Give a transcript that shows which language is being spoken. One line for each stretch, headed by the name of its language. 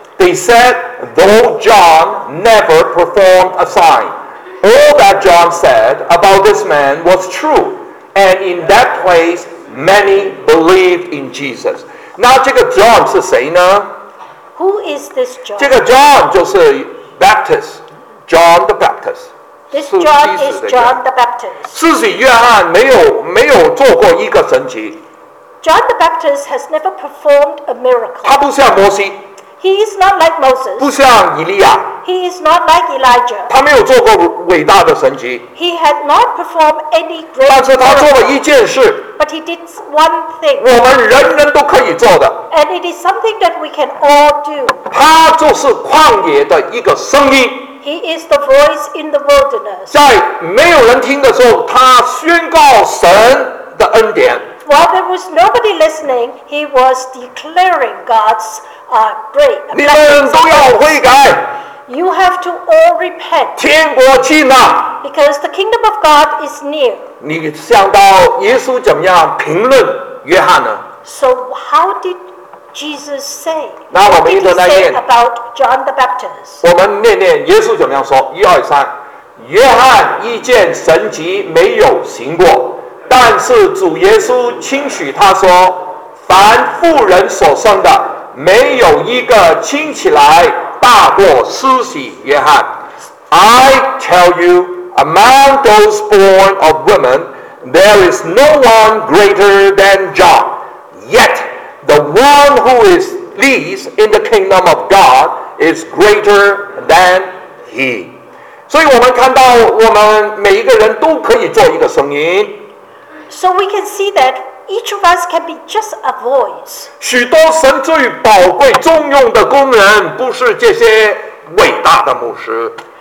English: They said, though John never performed a sign, all that John said about this man was true, and in that place many believed in Jesus.
Chinese: 那这个 John 是谁呢？
English: Who is this John?
Chinese: 这个 John 就是 Baptist。
English: John the Baptist. This John is John the Baptist.
Chinese: 自己约翰没有做过一个神迹。
English: John the Baptist has never performed a miracle.
Chinese: 他不像摩西。
English: He is not like Moses.
Chinese: 不像以利亚。
English: He is not like Elijah.
Chinese: 他没有做过伟大的神迹。
English: He had not performed any great.
Chinese: 但是他做了一件事。
English: But he did one thing.
Chinese: 我们人人都可以做的。
English: And it is something that we can all do.
Chinese: 他就是旷野的一个声音。
English: He is the voice in the wilderness.
Chinese: 在没有人听的时候，他宣告神的恩典。
English: While there was nobody listening, he was declaring God's great.
Chinese: 你们都要悔改。
English: You have to all repent.
Chinese: 天国近了。
English: Because the kingdom of God is near.
Chinese: 你想到耶稣怎么样评论约翰呢？
English: So how did Jesus say?
Chinese: 那我们一同来念。
English: About John the Baptist.
Chinese: 我们念念耶稣怎么样说？一二三，约翰一件神迹没有行过。但是主耶稣轻许他说，凡妇人所生的，没有一个轻起来大过施洗约翰。
English: I tell you, among those born of women, there is no one greater than John. Yet, the one who is least in the kingdom of God is greater than he.
Chinese: 所以我们看到我们每一个人都可以做一个声音。
English: So we can see that each of us can be just a voice.
Chinese: 许多神最宝贵重用的工人不是这些伟大的牧师。